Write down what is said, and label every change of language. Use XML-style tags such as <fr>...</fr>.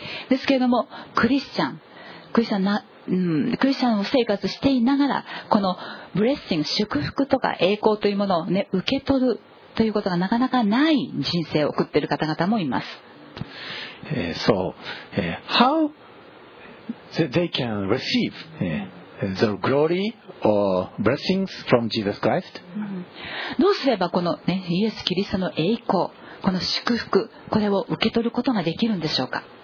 <ja>ですけれどもクリスチャンクリスチャンを生活していながらこのブレッシング祝福とか栄光というものを、ね、受け取るということがなかなかない人生を送っている方々もいます。</ja> <en>So, how they can receive, the glory or blessings from Jesus Christ?</en> <ja>どうすればこの、ね、イエス・キリストの栄光この祝福これを受け取ることができるんでしょうか。</ja>